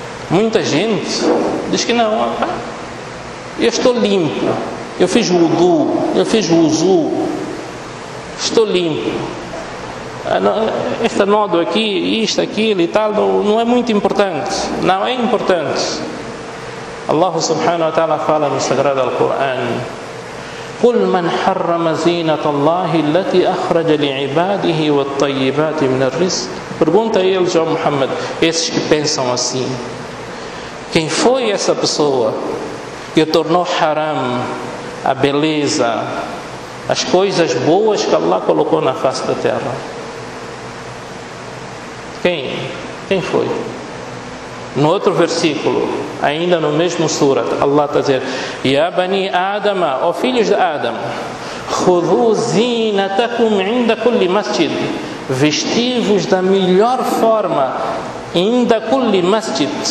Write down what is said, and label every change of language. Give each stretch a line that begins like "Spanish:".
Portuguese: Muita gente diz que não, eu estou limpo, eu fiz o wudu, eu fiz o wuzu, estou limpo. Esta nódoa aqui, isto, aquilo e tal, não é muito importante. Não é importante. Allah subhanahu wa ta'ala fala no Sagrado Al-Quran:
Arabic: قل من حرم زينة الله التي أخرج لعباده والطيبات من الرزق.
Portuguese: Pergunta a eles, ao Muhammad, esses que pensam assim. Quem foi essa pessoa que tornou haram a beleza, as coisas boas que Allah colocou na face da terra? Quem? Quem foi? No outro versículo, ainda no mesmo surat, Allah está a dizer:
Arabic: Ya bani Adam,
Portuguese: ó filhos de Adam,
Arabic: khudhu zinatakum inda kulli masjid,
Portuguese: vesti-vos da melhor forma
Arabic: inda kulli masjid.